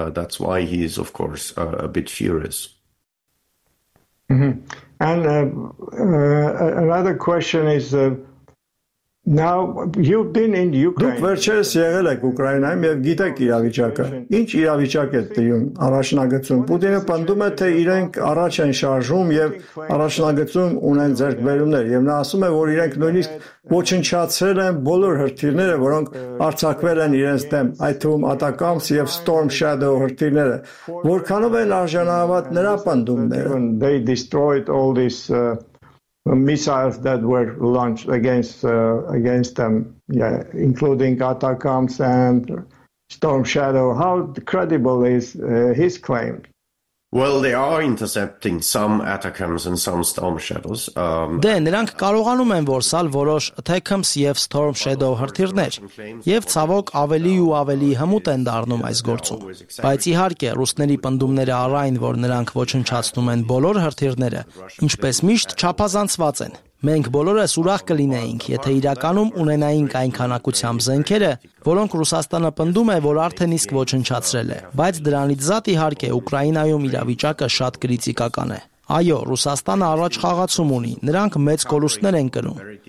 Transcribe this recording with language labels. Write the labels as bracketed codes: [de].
[en] That's why he is, of course, a bit furious. And another question is, now you've been in Ukraine. [hy] Դուք վերջերս եղել եք Ուկրաինայում եւ գիտեք իրավիճակը։ Ինչ իրավիճակ է տիրում առաջնագծում։ Պուտինը պնդում է, թե իրենք առաջ են շարժում եւ առաջնագծում ունեն ձեռքբերումներ, եւ նա ասում է, որ իրենք նույնիսկ ոչնչացրել են բոլոր հրթիռները, որոնք արձակվել են իրենց դեմ, այդ թվում Atacms եւ Storm Shadow հրթիռները։ Որքանով են արժանահավատ նրա պնդումները։ [en] They destroyed all these missiles that were launched against against them, yeah, including Atacms and Storm Shadow. How credible is his claim? Well, they are intercepting some Atacms and some Storm Shadows. [hy] Դեն նրանք կարողանում են որսալ որոշ Atacms եւ Storm Shadow հրթիռներ, եւ ցավոք ավելի ու ավելի հմուտ են դառնում այս գործում։ Բայց իհարկե ռուսների պնդումները առ այն, որ նրանք ոչնչացնում են բոլոր հրթիռները, ինչպես միշտ չափազանցված են։ Մենք բոլորս ուրախ կլինեինք, եթե իրականում ունենայինք այն քանակությամբ զենքերը, որոնք Ռուսաստանը պնդում է, որ արդեն իսկ ոչնչացրել է, բայց դրանից զատ իհարկե Ուկրաինայում իրավիճակը շատ կրիտիկական է։ Այո, Ռուսաստանը առաջ խաղացում ունի, նրանք մեծ կորուստներ են կրում,